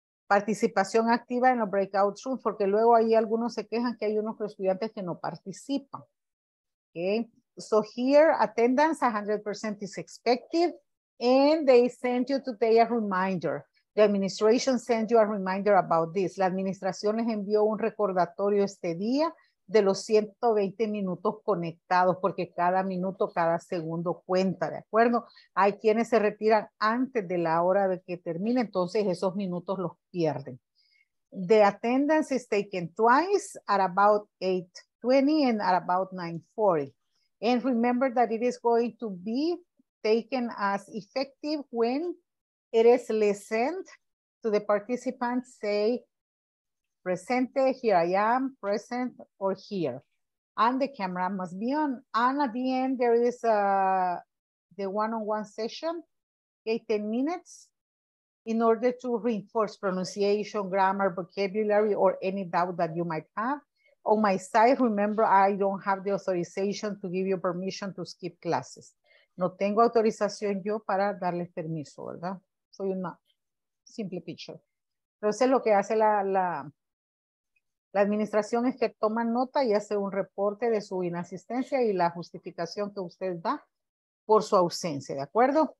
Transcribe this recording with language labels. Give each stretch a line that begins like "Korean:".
Spanish: Participación activa en los breakout rooms, porque luego ahí algunos se quejan que hay unos estudiantes que no participan, okay?
English: So here, attendance 100% is expected, and they sent you today a reminder. The administration sent you a reminder about this.
Spanish: La administración les envió un recordatorio este día de los 120 minutos conectados, porque cada minuto, cada segundo cuenta, ¿de acuerdo? Hay quienes se retiran antes de la hora de que termine, entonces esos minutos los pierden.
English: The attendance is taken twice at about 8:20 and at about 9:40. And remember that it is going to be taken as effective when it is listened to the participants say, presente, here I am, present, or here. And the camera must be on. And at the end, there is the one-on-one session, 18 minutes, in order to reinforce pronunciation, grammar, vocabulary, or any doubt that you might have. On my side, remember, I don't have the authorization to give you permission to skip classes.
Spanish: No tengo autorización yo para darles permiso, ¿verdad? Soy una simple teacher. Entonces, lo que hace la administración es que toma nota y hace un reporte de su inasistencia y la justificación que usted da por su ausencia, ¿de acuerdo?